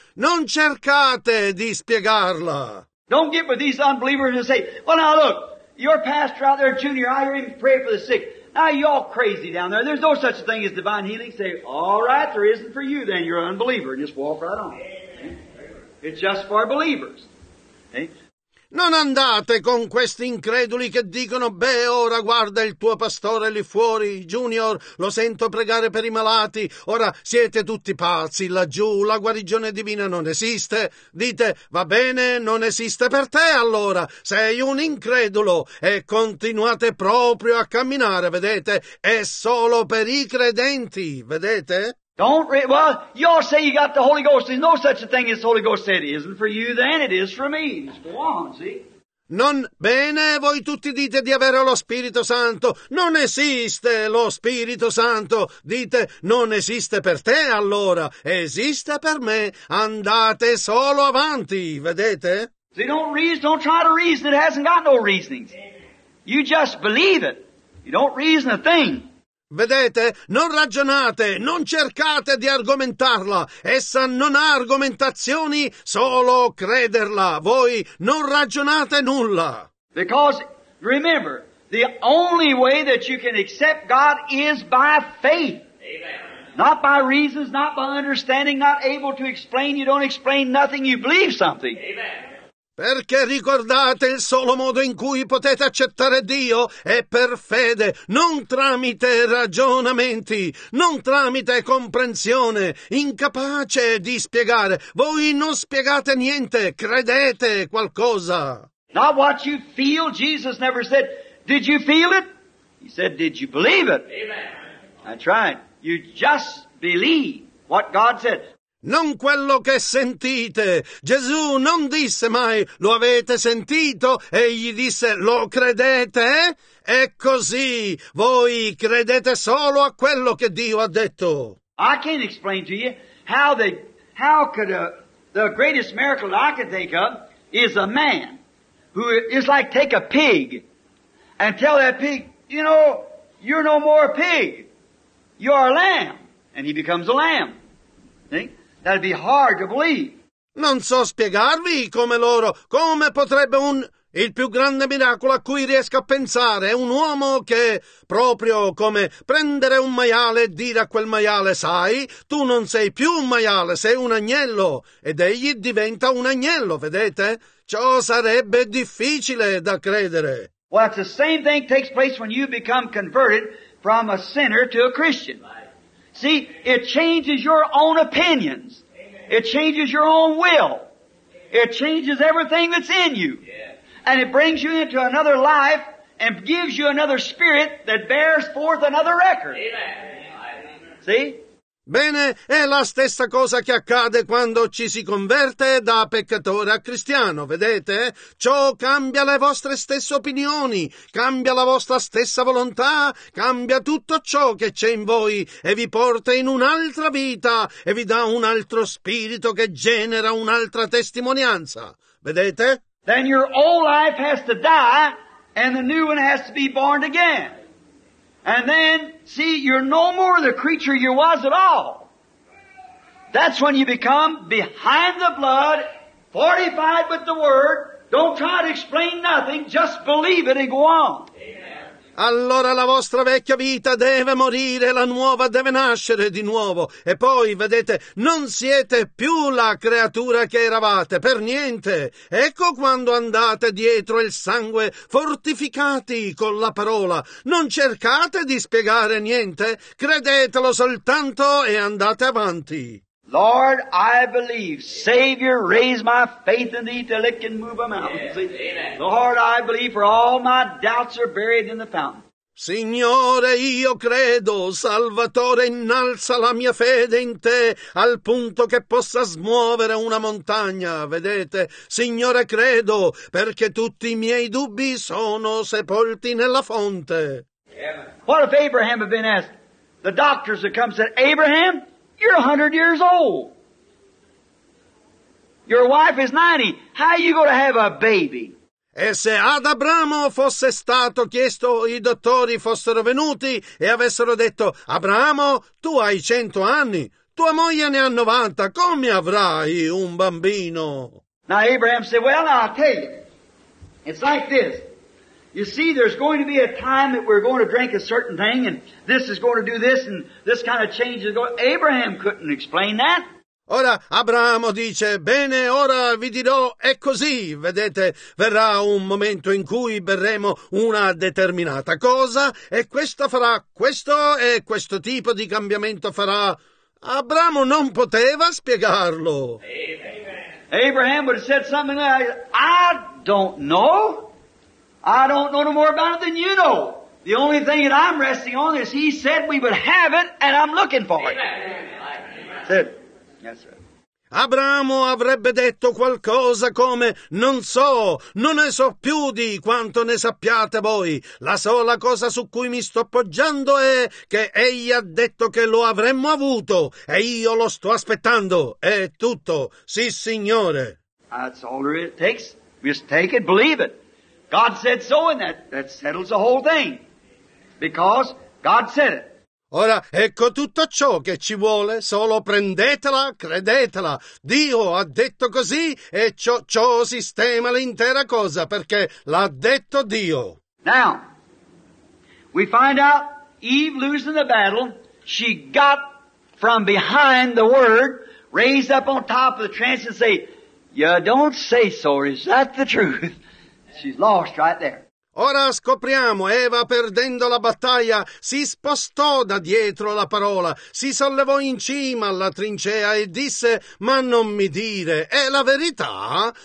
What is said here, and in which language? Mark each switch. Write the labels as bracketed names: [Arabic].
[Italian] Non cercate di spiegarla. [English] Don't get with these unbelievers and say, well now look, your pastor out there, Junior, I hear him pray for the sick. Now, you're crazy down there. There's no such thing as divine healing. Say, all right, there isn't for you then. You're an unbeliever. And just walk right on. It's just for believers. [Italian] Non andate con questi increduli che dicono, beh, ora guarda il tuo pastore lì fuori, Junior, lo sento pregare per i malati, ora siete tutti pazzi laggiù, la guarigione divina non esiste. Dite, va bene, non esiste per te allora, sei un incredulo, e continuate proprio a camminare, vedete, è solo per i credenti, vedete? [English] Well, you all say you got the Holy Ghost. There's no such a thing as the Holy Ghost. It isn't for you then, it is for me. Just go on, see? [Italian] Non bene, voi tutti dite di avere lo Spirito Santo. Non esiste lo Spirito Santo. Dite, non esiste per te allora. Esiste per me. Andate solo avanti, vedete? [English] See, don't reason, don't try to reason. It hasn't got no reasonings. You just believe it. You don't reason a thing. [Italian] Vedete? Non ragionate, non cercate di argomentarla. Essa non ha argomentazioni, solo crederla. Voi non ragionate nulla. [English] Because, remember, the only way that you can accept God is by faith. Amen. Not by reasons, not by understanding, not able to explain. You don't explain nothing, you believe something. Amen. [Italian] Perché ricordate, il solo modo in cui potete accettare Dio è per fede, non tramite ragionamenti, non tramite comprensione, incapace di spiegare. Voi non spiegate niente, credete qualcosa. [English] Not what you feel. Jesus never said, did you feel it? He said, did you believe it? Amen. That's right. You just believe what God said. [Italian] Non quello che sentite. Gesù non disse mai, lo avete sentito? E gli disse, lo credete? È così. Voi credete solo a quello che Dio ha detto. [English] I can't explain to you how could the greatest miracle that I can think of is a man who is like take a pig and tell that pig, you know, you're no more a pig. You're a lamb. And he becomes a lamb. See? That'd be hard to believe. [Italian] Non so spiegarvi come loro, come potrebbe un... Il più grande miracolo a cui riesco a pensare è un uomo che, proprio come prendere un maiale e dire a quel maiale, sai, tu non sei più un maiale, sei un agnello, ed egli diventa un agnello, vedete? Ciò sarebbe difficile da credere. [English] Well, it's the same thing takes place when you become converted from a sinner to a Christian. See, it changes your own opinions. Amen. It changes your own will. It changes everything that's in you. Yes. And it brings you into another life and gives you another spirit that bears forth another record. Amen. See? [Italian] Bene, è la stessa cosa che accade quando ci si converte da peccatore a cristiano, vedete? Ciò cambia le vostre stesse opinioni, cambia la vostra stessa volontà, cambia tutto ciò che c'è in voi e vi porta in un'altra vita e vi dà un altro spirito che genera un'altra testimonianza, vedete? [English] Then your old life has to die and the new one has to be born again. And then, see, you're no more the creature you was at all. That's when you become behind the blood, fortified with the word. Don't try to explain nothing, just believe it and go on. Amen. [Italian] Allora la vostra vecchia vita deve morire, la nuova deve nascere di nuovo. E poi, vedete, non siete più la creatura che eravate, per niente. Ecco quando andate dietro il sangue, fortificati con la parola. Non cercate di spiegare niente, credetelo soltanto e andate avanti. [English] Lord, I believe. Savior, raise my faith in thee till it can move a mountain. Yes. Lord, I believe, for all my doubts are buried in the fountain. [Italian] Signore, io credo, Salvatore, innalza la mia fede in te al punto che possa smuovere una montagna, vedete? Signore, credo, perché tutti i miei dubbi sono sepolti nella fonte. [English] Yeah. What if Abraham had been asked? The doctors had come and said, Abraham, you're 100 years old. Your wife is 90. How are you going to have a baby? [Italian] E se ad Abramo fosse stato chiesto, i dottori fossero venuti e avessero detto, Abramo, tu hai 100 anni, tua moglie ne ha 90, come avrai un bambino? [English] Now Abraham said, well, I'll tell you. It's like this. You see, there's going to be a time that we're going to drink a certain thing, and this is going to do this, and this kind of change is going. Abraham couldn't explain that. [Italian] Ora Abramo dice, bene, ora vi dirò, è così, vedete, verrà un momento in cui berremo una determinata cosa e questa farà questo e questo tipo di cambiamento farà. Abramo non poteva spiegarlo. [English] Abraham would have said something like, I don't know no more about it than you know. The only thing that I'm resting on is he said we would have it and I'm looking for it. Amen. Yes, sir. [Italian] Abramo avrebbe detto qualcosa come «Non so, non ne so più di quanto ne sappiate voi. La sola cosa su cui mi sto appoggiando è che egli ha detto che lo avremmo avuto e io lo sto aspettando. È tutto. Sì, Signore!» [English] That's all it takes. Just take it, believe it. God said so and that settles the whole thing. Because God said it. [Italian] Ora, ecco tutto ciò che ci vuole, solo prendetela, credetela. Dio ha detto così e ciò sistema l'intera cosa, perché l'ha detto Dio. [English] Now, we find out Eve losing the battle, she got from behind the word, raised up on top of the trench and say, you don't say so, is that the truth? She's lost right there. [Italian] Ora scopriamo, Eva perdendo la battaglia, si spostò da dietro la parola, si sollevò in cima alla trincea e disse, ma non mi dire, è la verità?